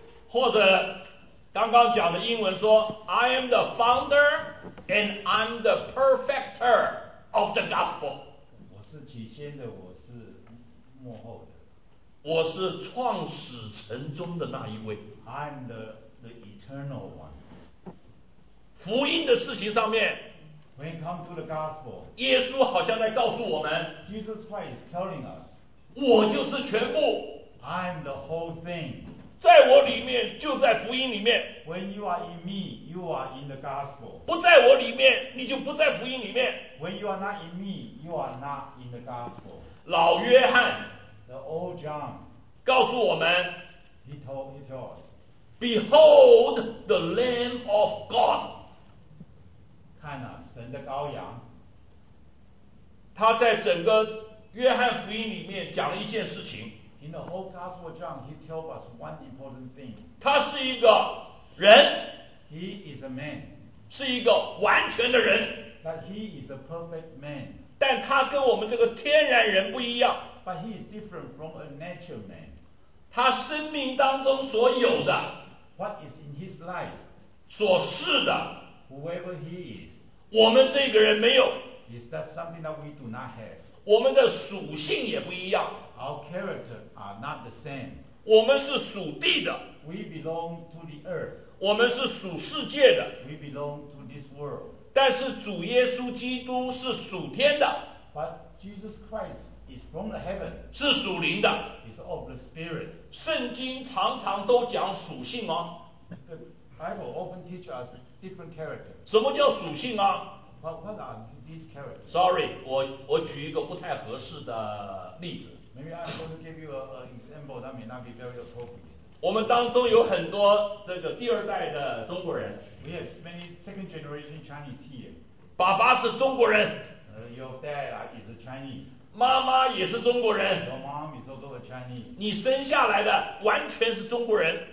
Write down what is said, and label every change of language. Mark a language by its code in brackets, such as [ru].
[zh] 或者刚刚讲的英文说 [en] I am the founder and I'm the perfecter of the gospel. [zh] 我是起先的，我是幕后的。我是创始成终的那一位。 [en] I'm the eternal one. [zh] 福音的事情上面 [en] When it comes to the gospel, [zh] 耶稣好像在告诉我们 [en] Jesus Christ is telling us, [zh] 我就是全部 [en] I'm the whole thing, [zh] 在我里面就在福音里面 [en] When you are in me, you are in the gospel, [zh] 不在我里面你就不在福音里面 [en] When you are not in me, you are not in the gospel, [zh] 老约翰 [en] The old John, [zh] 告诉我们 [en] He told us, Behold the Lamb of God, [zh] 看啊，神的羔羊。他在整个约翰福音里面讲了一件事情。 [en] In the whole Gospel of John, he tells us one important thing. [zh] 他是一个人。 [en] He is a man. [zh] 是一个完全的人。 [en] But he is a perfect man. [zh] 但他跟我们这个天然人不一样。 [en] But he is different from a natural man. [zh] 他生命当中所有的。 [en] What is in his life? [zh] 所是的。 [en] Whoever he is, [zh] 我们这个人没有。 [en] Is that something that we do not have? [zh] 我们的属性也不一样。 [en] Our character are not the same. [zh] 我们是属地的。 [en] We belong to the earth. [zh] 我们是属世界的。 [en] We belong to this world. [zh] 但是主耶稣基督是属天的。 [en] But Jesus Christ is from the heaven. [zh] 是属灵的。 [en] Is of the spirit. [zh] 圣经常常都讲属性吗？ [en] Bible often teach us different character. [zh] 什么叫属性啊 [en] what are these characters? Sorry, [zh] 我举一个不太合适的例子。 [en] Maybe I'm going to give you an example that may not be very appropriate. [zh] 我们当中有很多这个第二代的中国人。 [en] We have many second generation Chinese here. [zh] 爸爸是中国人。 [en] Your dad is Chinese. [zh] 妈妈也是中国人。 [en] Your mom is also a Chinese. [zh] 你生下来的完全是中国人。